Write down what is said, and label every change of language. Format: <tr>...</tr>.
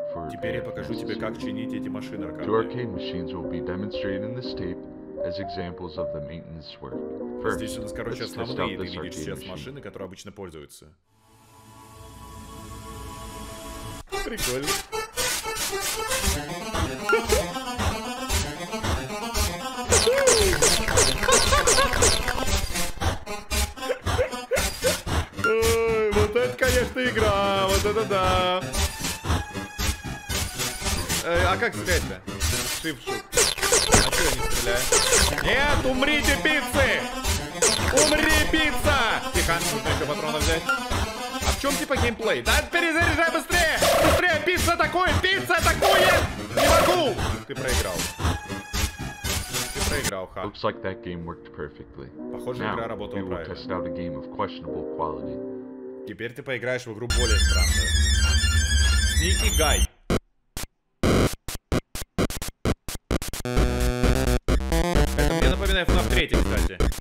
<ru>Теперь я покажу тебе, как чинить эти машины аркадные.</ru> <en>Two arcade machines will be demonstrated in this tape as examples of the maintenance work.</en> <ru>First, здесь у нас, короче, основные, ты видишь сейчас машины, которые обычно пользуются. Прикольно. Ой, вот это, конечно, игра. Вот это да. А как стрелять-то? Шип-шип. А что я не стреляю? Нет, умрите, пиццы! Умри, пицца! Тихо, нужно еще патроны взять. А в чем типа геймплей? Да перезаряжай быстрее! Быстрее, пицца атакует! Пицца атакует! Не могу! Ты проиграл. Ты проиграл, ха.</ru> <en>Looks like that game worked perfectly.</en> <ru>Похоже,</ru> <en>now,</en> <ru>игра работала правильно.</ru> <en>Now, we will test out a game of questionable quality.</en> <ru>Теперь ты поиграешь в игру более странную.</ru> <en>Sneaky Guy.</en> <ru>Это мне напоминает FNAF 3, кстати.</ru>